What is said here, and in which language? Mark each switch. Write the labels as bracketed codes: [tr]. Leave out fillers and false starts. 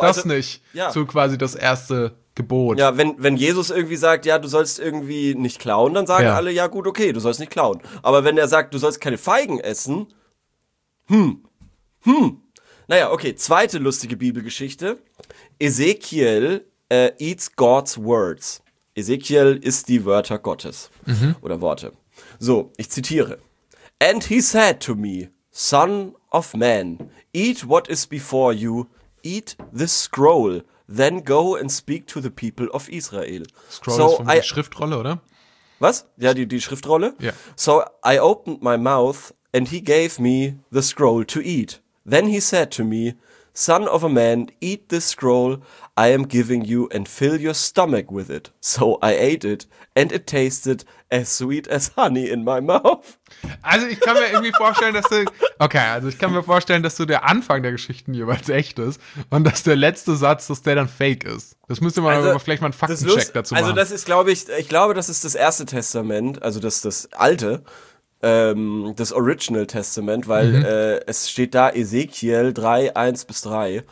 [de] Ist das also, nicht so quasi das erste Gebot? Ja, wenn Jesus irgendwie sagt, ja, du sollst irgendwie nicht klauen, dann sagen alle, ja gut, okay, du sollst nicht klauen. Aber wenn er sagt, du sollst keine Feigen essen, naja, okay, zweite lustige Bibelgeschichte. [en] Ezekiel eats God's words. [de] Ezekiel isst die Wörter Gottes oder Worte. So, ich zitiere. [en] And he said to me, son of man, eat what is before you, eat this scroll, then go and speak to the people of Israel. [de] Scroll so ist von der Schriftrolle, oder? Was? Ja, die Schriftrolle? [en] Yeah. So I opened my mouth and he gave me the scroll to eat. Then he said to me, son of a man, eat this scroll I am giving you and fill your stomach with it. So I ate it and it tasted as sweet as honey in my mouth. [de] Also ich kann mir irgendwie vorstellen, dass du, okay, also ich kann mir vorstellen, dass so der Anfang der Geschichten jeweils echt ist und dass der letzte Satz, dass der dann fake ist. Das müsste man also, vielleicht mal einen Faktencheck dazu machen. Also das ist, glaube ich, ich glaube, das ist das erste Testament, also das alte, das Original Testament, weil es steht da Ezekiel 3, 1 bis 3.